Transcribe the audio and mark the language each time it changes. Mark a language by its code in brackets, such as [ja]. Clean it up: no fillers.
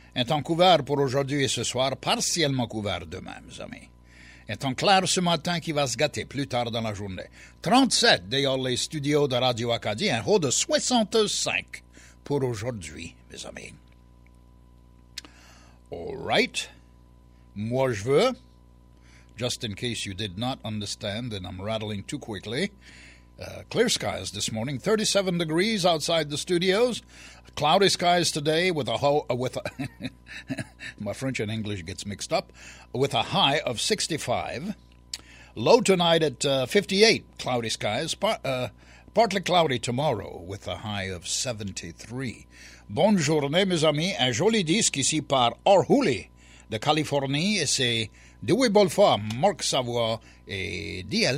[fr] Un temps couvert pour aujourd'hui et ce soir, partiellement couvert demain, mes amis. Un temps clair ce matin qui va se gâter plus tard dans la journée. 37, d'ailleurs, les studios de Radio Acadie, un haut de 65 pour aujourd'hui, mes amis. [en] All right. [fr] Moi, je veux, [en] just in case you did not understand and I'm rattling too quickly, clear skies this morning, 37 degrees outside the studios, cloudy skies today with a my French and English gets mixed up, with a high of 65, low tonight at 58, cloudy skies, partly cloudy tomorrow with a high of 73. [fr] Bonne journée, mes amis, un joli disque ici par Orhuli. De Californie, et c'est Dewey Bolfa, Marc Savoie et D.L.